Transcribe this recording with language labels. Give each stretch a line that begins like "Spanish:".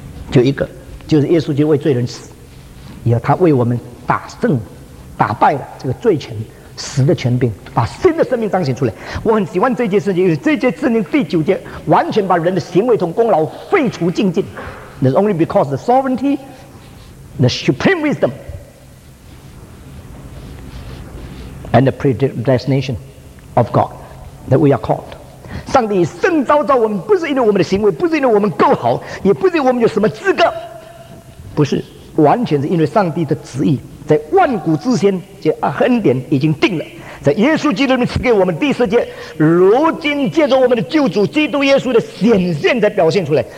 Chinese: 就一个，就是耶稣基督为罪人死，也他为我们打胜打败了这个罪权死的权柄，把新的生命彰显出来。我很喜欢这件事情，因为这件事情第九节完全把人的行为同功劳废除净尽。
English: That's only because the sovereignty, the supreme wisdom and the predestination of God that we are called。
Chinese: 上帝圣召召我们，不是因为我们的行为，不是因为我们够好，也不是因为我们有什么资格，不是，完全是因为上帝的旨意，在万古之先这恩典已经定了，在耶稣基督里面赐给我们第四节，如今借着我们的救主基督耶稣的显现才表现出来。